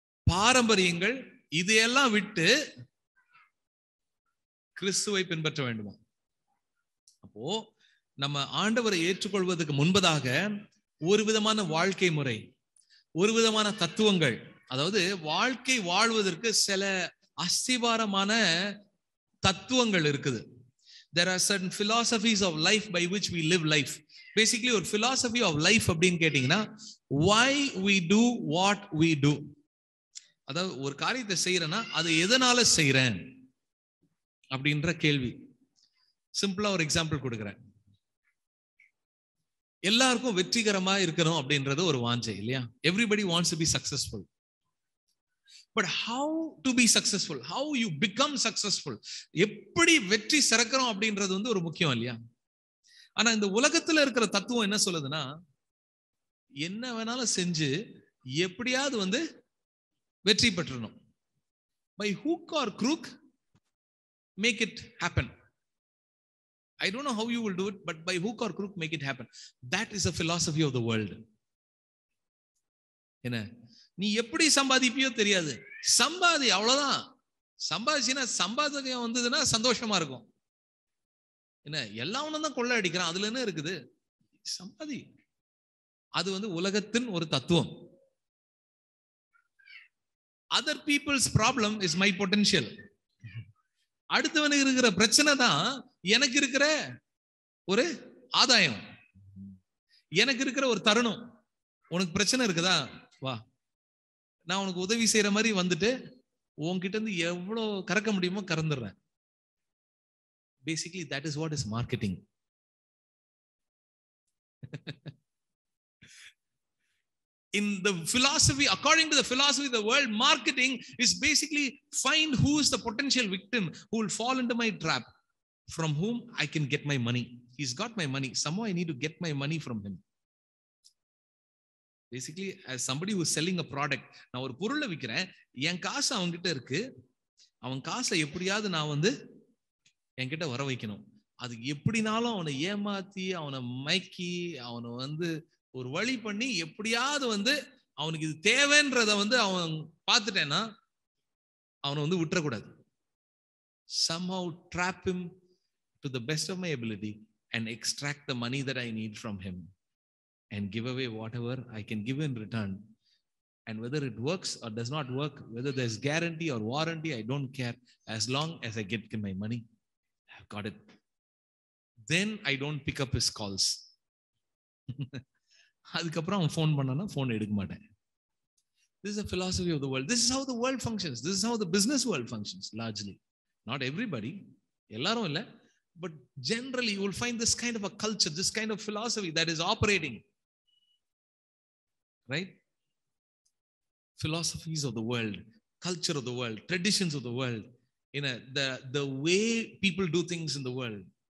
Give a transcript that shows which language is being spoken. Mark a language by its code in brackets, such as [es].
[ta] பாரம்பரியங்கள், இதையெல்லாம் விட்டு கிறிஸ்துவை பின்பற்ற வேண்டுமா? அப்போ நம்ம ஆண்டவரை ஏற்றுக்கொள்வதற்கு முன்பதாக ஒரு விதமான வாழ்க்கை முறை, ஒரு விதமான தத்துவங்கள், அதாவது வாழ்க்கை வாழ்வதற்கு சில அஸ்திவாரமான தத்துவங்கள் இருக்குது. [en] There are certain philosophies of life by which we live life. Basically, ஒரு philosophy of life [ta] அப்படின்னு கேட்டிங்கன்னா, [en] why we do what we do. [ta] அதாவது ஒரு காரியத்தை செய்கிறேன்னா அது எதனால் செய்கிறேன் அப்படின்ற கேள்வி. சிம்பிளாக ஒரு எக்ஸாம்பிள் கொடுக்குறேன். எல்லாருக்கும் வெற்றிகரமாக இருக்கணும் அப்படின்றது ஒரு வாஞ்சை இல்லையா? [en] Everybody wants to be successful. But how to be successful? How you become successful? [ta] எப்படி வெற்றி சிறக்கிறோம் அப்படின்றது வந்து ஒரு முக்கியம் இல்லையா? ஆனால் இந்த உலகத்தில் இருக்கிற தத்துவம் என்ன சொல்லுதுன்னா, என்ன வேணாலும் செஞ்சு எப்படியாவது வந்து வெற்றி பெற்றணும். [en] By hook or crook, make it happen. I don't know how you will do it, but by hook or crook, make it happen. That is the philosophy of the world. [ta] என்ன, நீ எப்படி சம்பாதிப்பியோ தெரியாது, சம்பாதி அவ்வளவுதான், சம்பாதிச்சுன்னா சம்பாதகம் வந்ததுன்னா சந்தோஷமா இருக்கும். என்ன, எல்லாவனும் தான் கொள்ள அடிக்கிறான், அதுல என்ன இருக்குது, சம்பாதி. அது வந்து உலகத்தின் ஒரு தத்துவம். [en] Other people's problem is my potential. [ta] அடுத்தவனுக்கு இருக்கிற பிரச்சனை தான் எனக்கு இருக்கிற ஒரு ஆதாயம், எனக்கு இருக்கிற ஒரு தருணம். உனக்கு பிரச்சனை இருக்குதா, வா நான் உனக்கு உதவி செய்யற மாதிரி வந்துட்டு உன்கிட்ட இருந்து எவ்வளவு கறக்க முடியுமோ கறந்துடுறேன். [en] Basically that is what is marketing. In the philosophy, according to the philosophy of the world, marketing is basically find who is the potential victim who will fall into my trap, from whom I can get my money. He's got my money. Somehow I need to get my money from him. Basically, as somebody who is selling a product, [ta] நான் ஒரு பொருளை விற்கிறேன், என் காசு அவங்ககிட்ட இருக்கு, அவன் காசை எப்படியாவது நான் வந்து என்கிட்ட வர வைக்கணும். அது எப்படினாலும் அவனை ஏமாத்தி, அவனை மயக்கி, அவனை வந்து ஒரு வழி பண்ணி எப்படியாவது வந்து அவனுக்கு இது தேவைன்றத வந்து அவன் பார்த்துட்டேன்னா அவனை வந்து விட்டுறக்கூடாது. [en] Somehow trap him to the best of my ability and extract the money that I need from him and give away whatever I can give in return. And whether it works or does not work, whether there's guarantee or warranty, I don't care. As long as I get my money, I've got it. Then I don't pick up his calls. [ta] அதுக்கப்புறம் அவன் phone பண்ணனா phone எடுக்க மாட்டேன். [en] This is the philosophy of the world. This is how the world functions. This is how the business world functions, largely. Not everybody. [ta] எல்லாரும் இல்லை. [en] But generally, you will find this kind of a culture, this kind of philosophy that is operating. Right? Philosophies of the world, culture of the world, traditions of the world, you know, the way people do things in the world.